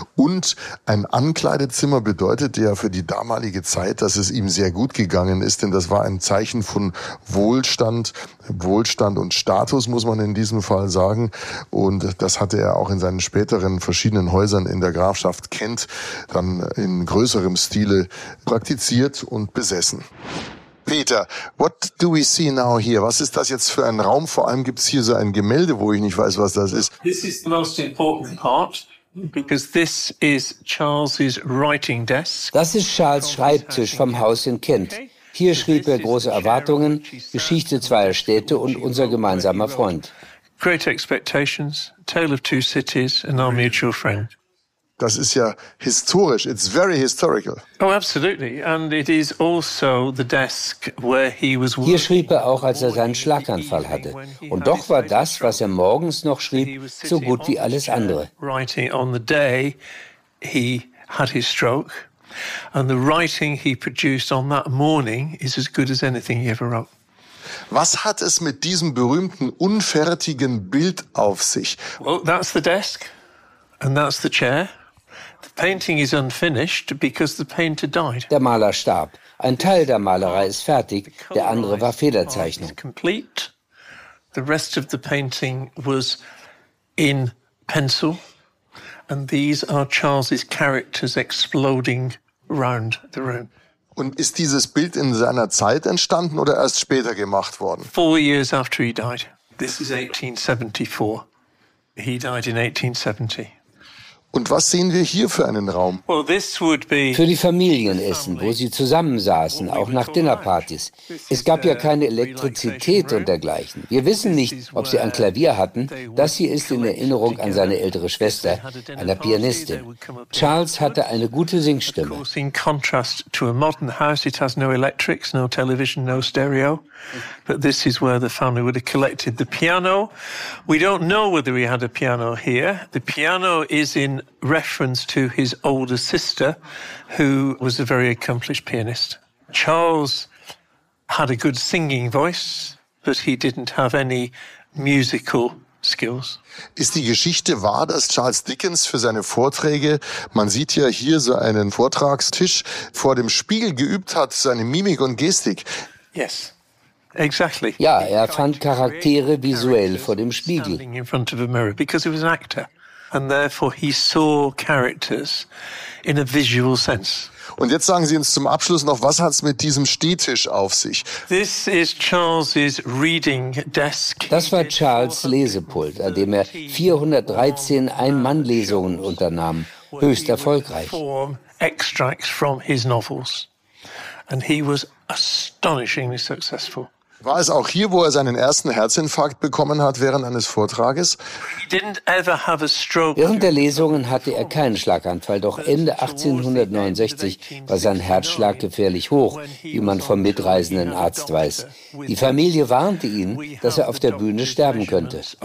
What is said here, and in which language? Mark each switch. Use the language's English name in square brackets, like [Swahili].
[German] Und ein Ankleidezimmer bedeutet ja für die damalige Zeit, dass es ihm sehr gut gegangen ist, denn das war ein Zeichen von Wohlstand und Status, muss man in diesem Fall sagen. Und das hatte er auch in seinen späteren verschiedenen Häusern in der Grafschaft Kent dann in größerem Stile praktiziert und besessen. [English] Peter, what do we see now here? [German] Was ist das jetzt für ein Raum? Vor allem gibt es hier so ein Gemälde, wo ich nicht weiß, was das ist. [English] This is the most important part. Because this is Charles's writing desk. [German] Das ist Charles' Schreibtisch vom Haus in Kent. Hier schrieb er Große Erwartungen, Geschichte zweier Städte und unser gemeinsamer Freund. [English] Great Expectations, Tale of Two Cities and Our Mutual Friend. [German] Das ist ja historisch. [English] It's very historical. Oh, absolutely. And it is also the desk where he was working. [German] Hier schrieb er auch, als er seinen Schlaganfall hatte. Und doch war das, was er morgens noch schrieb, so gut wie alles andere. [English] Writing on the day he had his stroke. And the writing he produced on that morning is as good as anything he ever wrote. [German] Was hat es mit diesem berühmten unfertigen Bild auf sich? [English] Well, that's the desk and that's the chair. The painting is unfinished because the painter died. [German] Der Maler starb. Ein Teil der Malerei ist fertig, der andere war Federzeichnung. [English] It's complete. The rest of the painting was in pencil. And these are Charles's characters exploding round the room. [German] Und ist dieses Bild in seiner Zeit entstanden oder erst später gemacht worden? [English] 4 years after he died. This is 1874. He died in 1870. [German] Und was sehen wir hier für einen Raum? [English] Well, this would be [German] für die Familienessen, wo sie zusammensaßen, auch nach Dinnerpartys. Es gab ja keine Elektrizität und dergleichen. Wir wissen nicht, ob sie ein Klavier hatten. Das hier ist in Erinnerung an seine ältere Schwester, einer Pianistin. Charles hatte eine gute Singstimme. [English] In contrast to a modern house, it has no electrics, no television, no stereo. But this is where the family would have collected the piano. We don't know whether he had a piano here. The piano is in reference to his older sister, who was a very accomplished pianist. Charles had a good singing voice, but he didn't have any musical skills. [German] Ist die Geschichte wahr, dass Charles Dickens für seine Vorträge, man sieht ja hier so einen Vortragstisch, vor dem Spiegel geübt hat, seine Mimik und Gestik? [English] Yes. Exactly. [German] Ja, er fand Charaktere visuell vor dem Spiegel. [English] In front of a mirror, because he was an actor. And therefore he saw characters in a visual sense. [German] Und jetzt sagen Sie uns zum Abschluss noch, was hat's mit diesem Stehtisch auf sich? [English] This is Charles's reading desk. [German] Das war Charles Lesepult, an dem er 413 Ein-Mann-Lesungen unternahm, höchst erfolgreich. [English] Extracts from his novels. And he was astonishingly successful. [German] War es auch hier, wo er seinen ersten Herzinfarkt bekommen hat während eines Vortrages? Während der Lesungen hatte er keinen Schlaganfall, doch Ende 1869 war sein Herzschlag gefährlich hoch, wie man vom mitreisenden Arzt weiß. Die Familie warnte ihn, dass er auf der Bühne sterben könnte.